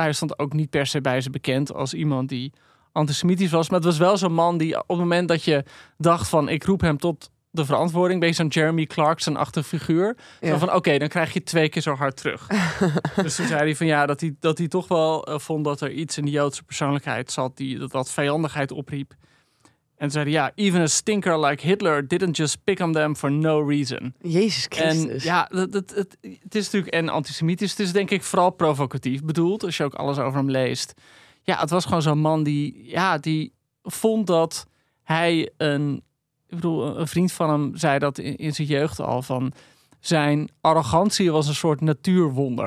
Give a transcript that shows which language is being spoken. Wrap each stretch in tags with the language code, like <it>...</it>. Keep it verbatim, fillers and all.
<nl>Hij stond ook niet per se bij ze bekend als iemand die antisemitisch was. Maar het was wel zo'n man die op het moment dat je dacht van... ik roep hem tot de verantwoording, ben je zo'n Jeremy Clarkson-achtig figuur. Ja. Zo van, oké, okay, dan krijg je twee keer zo hard terug. Dus toen zei hij van ja, dat hij, dat hij toch wel uh, vond dat er iets in de Joodse persoonlijkheid zat... die dat, dat vijandigheid opriep. En toen zei hij, ja,</nl> <en>even a stinker like Hitler didn't just pick on them for no reason.</en> <nl>Jezus Christus. En ja, dat, dat, het, het is natuurlijk en antisemitisch. Het is denk ik vooral provocatief bedoeld, als je ook alles over hem leest. Ja, het was gewoon zo'n man die, ja, die vond dat hij een... Ik bedoel, een vriend van hem zei dat in, in zijn jeugd al, van zijn arrogantie was een soort natuurwonder.</nl>